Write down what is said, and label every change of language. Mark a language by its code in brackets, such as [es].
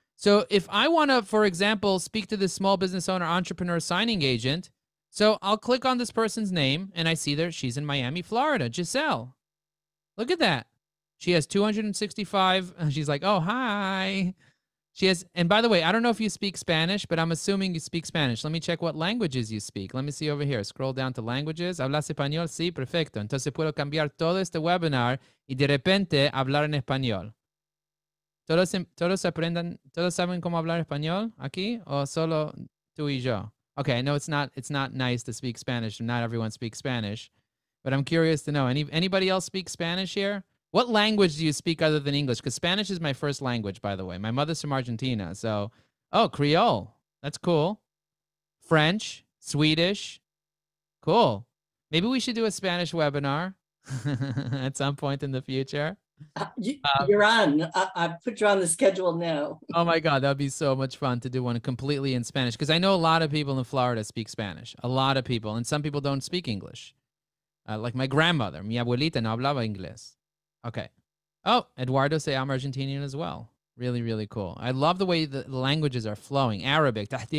[en] So if I want to, for example, speak to this small business owner, entrepreneur, signing agent, so I'll click on this person's name and I see there she's in Miami, Florida, Giselle. Look at that. She has 265. She's like, oh, hi. And by the way, I don't know if you speak Spanish, but I'm assuming you speak Spanish. Let me check what languages you speak. Let me see over here. Scroll down to languages. [es] ¿Hablas español? Sí, perfecto. Entonces puedo cambiar todo este webinar y de repente hablar en español. ¿Todos aprendan? ¿Todos saben cómo hablar español aquí? ¿O solo tú y yo? [en] Okay, I know it's not nice to speak Spanish, and not everyone speaks Spanish, but I'm curious to know. Anybody else speak Spanish here? What language do you speak other than English? Because Spanish is my first language, by the way. My mother's from Argentina, so Creole. That's cool. French, Swedish, cool. Maybe we should do a Spanish webinar at some point in the future. You're on. I put you on the schedule now. Oh my God, that would be so much fun to do one completely in Spanish, because I know a lot of people in Florida speak Spanish. A lot of people, and some people don't speak English. Like my grandmother, [es] mi abuelita no hablaba inglés. [en] Okay. Oh, Eduardo say I'm Argentinian as well. Really, really cool. I love the way the languages are flowing. Arabic.